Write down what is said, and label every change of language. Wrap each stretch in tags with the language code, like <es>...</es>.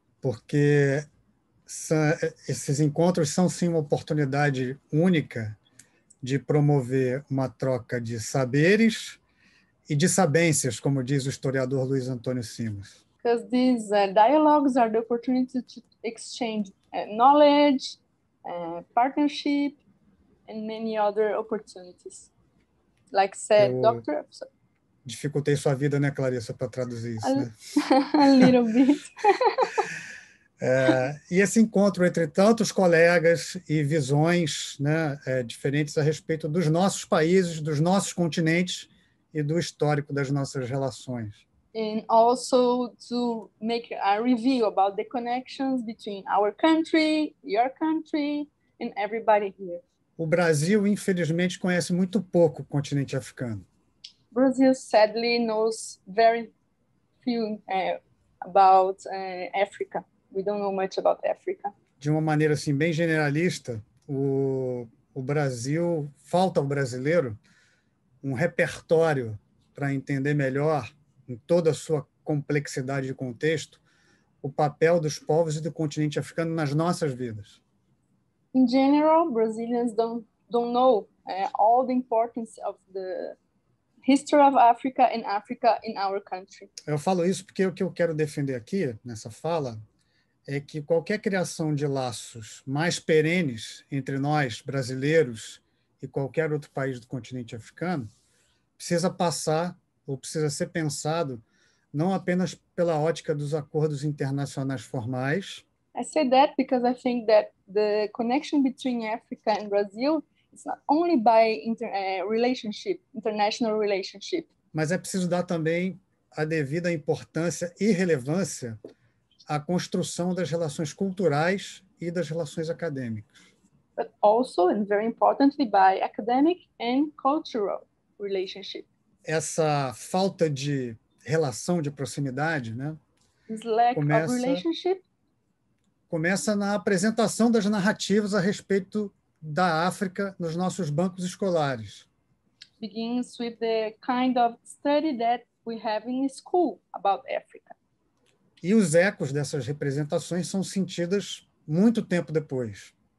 <pt>Porque esses encontros são sim uma oportunidade única de promover uma troca de saberes e de sabências, como diz o historiador Luiz Antônio Simas.</pt> <en>Because these dialogues are the opportunity to exchange knowledge, partnership and many other opportunities. Like said, Dr.</en> <pt>Dificultei sua vida, né, Clarissa, para traduzir isso, né?</pt> <en>A little bit.</en> <pt>E esse encontro entre tantos colegas e visões, né, diferentes a respeito dos nossos países, dos nossos continentes e do histórico das nossas relações.</pt> <en>And also to make a review about the connections between our country, your country and everybody here.</en> <pt>O Brasil, infelizmente, conhece muito pouco o continente africano.</pt> <en>Brazil sadly knows very few about Africa. We don't know much about Africa.</en> <pt>De uma maneira assim bem generalista, o Brasil, falta ao brasileiro um repertório para entender melhor, em toda a sua complexidade de contexto, o papel dos povos e do continente africano nas nossas vidas.</pt> <en>In general, Brazilians don't know all the importance of the history of Africa and Africa in our country.</en> <pt>Eu falo isso porque o que eu quero defender aqui, nessa fala, é que qualquer criação de laços mais perenes entre nós, brasileiros, e qualquer outro país do continente africano, precisa passar ou precisa ser pensado não apenas pela ótica dos acordos internacionais formais.</pt> <en>I say that because I think that the connection between Africa and Brazil is not only by international relationship.</en> <pt>Mas é preciso dar também a devida importância e relevância à construção das relações culturais e das relações acadêmicas.</pt> <en>But also, and very importantly, by academic and cultural relationship.</en> <pt>Essa falta de relação, de proximidade, né?</pt> <en>This lack of relationship.</en> <pt>Começa na apresentação das narrativas a respeito da África nos nossos bancos escolares.</pt> <en>Begins with the kind of study that we have in school about Africa.</en> <pt>E os ecos dessas representações são sentidas muito tempo depois.</pt>